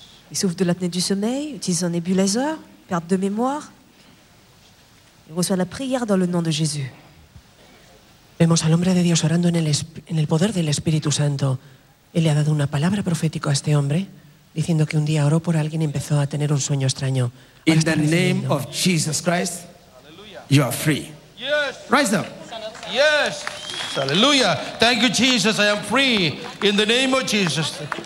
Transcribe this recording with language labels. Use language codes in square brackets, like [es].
[fr] Il souffre de l'apnée du sommeil, utilise un nébulizer, perte de mémoire. Il reçoit la prière dans le nom de Jésus. [es] Vemos al hombre de Dios orando en el poder del Espíritu Santo. Él le ha dado una palabra profética a este hombre, diciendo que un día oró por alguien y empezó a tener un sueño extraño. [en] In the name of Jesus Christ, you are free. Yes. Rise up. Yes. Hallelujah. Thank you, Jesus. I am free in the name of Jesus.